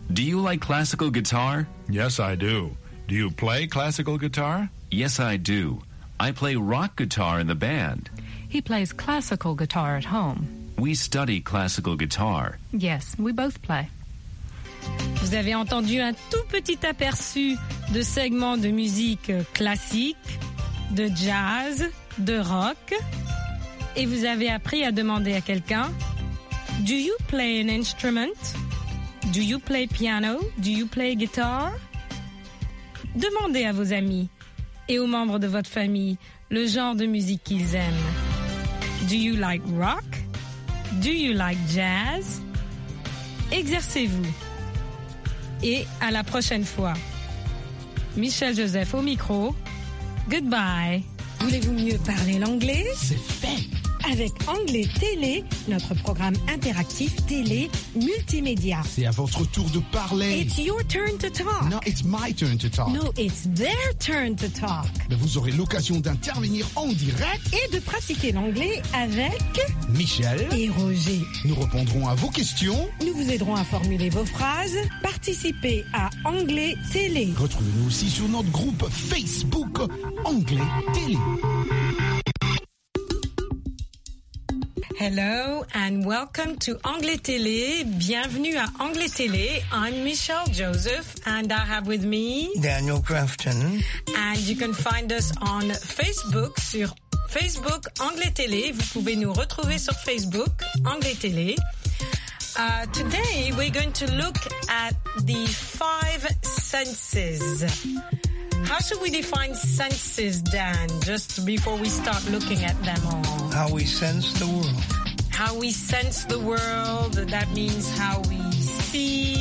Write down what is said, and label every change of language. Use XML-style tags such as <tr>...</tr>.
<en>Do you like classical guitar? Yes, I do. Do you play classical guitar? Yes, I do. I play rock guitar in the band. He plays classical guitar at home. We study classical guitar. Yes, we both play.</en> <fr>Vous avez entendu un tout petit aperçu de segments de musique classique, de jazz, de rock. Et vous avez appris à demander à quelqu'un,</fr> <en>Do you play an instrument? Do you play piano? Do you play guitar?</en> <fr>Demandez à vos amis et aux membres de votre famille le genre de musique qu'ils aiment. Do you like rock? Do you like jazz? Exercez-vous. Et à la prochaine fois. Michel Joseph au micro.</fr> <en>Goodbye.</en> <fr>Voulez-vous mieux parler l'anglais? C'est fait! Avec Anglais Télé, notre programme interactif télé multimédia. C'est à votre tour de parler.</fr> <en>It's your turn to talk. No, it's my turn to talk. No, it's their turn to talk.</en> <fr>Mais vous aurez l'occasion d'intervenir en direct. Et de pratiquer l'anglais avec... Michel. Et Roger. Nous répondrons à vos questions. Nous vous aiderons à formuler vos phrases. Participez à Anglais Télé. Retrouvez-nous aussi sur notre groupe Facebook Anglais Télé.</fr> <en>Hello and welcome to Anglais Télé.</en> <fr>Bienvenue à Anglais Télé.</fr> <en>I'm Michel Joseph and I have with me... Daniel Grafton. And you can find us on Facebook,</en> <fr>sur Facebook Anglais Télé. Vous pouvez nous retrouver sur Facebook Anglais Télé.</fr> <en>Today we're going to look at the five senses. How should we define senses, Dan, just before we start looking at them all? How we sense the world. How we sense the world, that means how we see.</en>